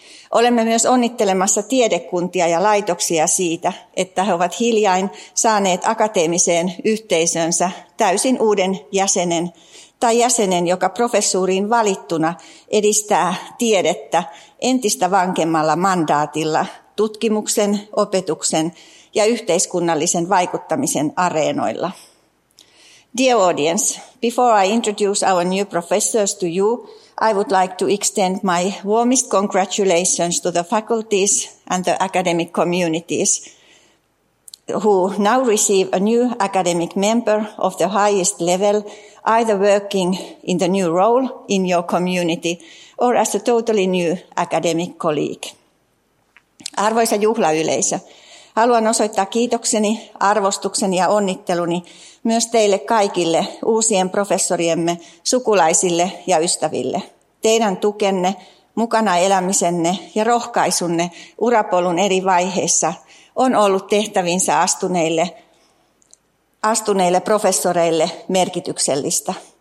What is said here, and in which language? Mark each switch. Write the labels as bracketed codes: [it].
[fi] Olemme myös onnittelemassa tiedekuntia ja laitoksia siitä, että he ovat hiljain saaneet akateemiseen yhteisönsä täysin uuden jäsenen tai jäsenen, joka professuuriin valittuna edistää tiedettä entistä vankemmalla mandaatilla tutkimuksen, opetuksen ja yhteiskunnallisen vaikuttamisen areenoilla. [en] Dear audience, before I introduce our new professors to you, I would like to extend my warmest congratulations to the faculties and the academic communities who now receive a new academic member of the highest level, either working in the new role in your community or as a totally new academic colleague. [fi] Arvoisa juhlayleisö, haluan osoittaa kiitokseni, arvostukseni ja onnitteluni myös teille kaikille uusien professoriemme sukulaisille ja ystäville. Teidän tukenne, mukana elämisenne ja rohkaisunne urapolun eri vaiheissa on ollut tehtäviinsä astuneille professoreille merkityksellistä.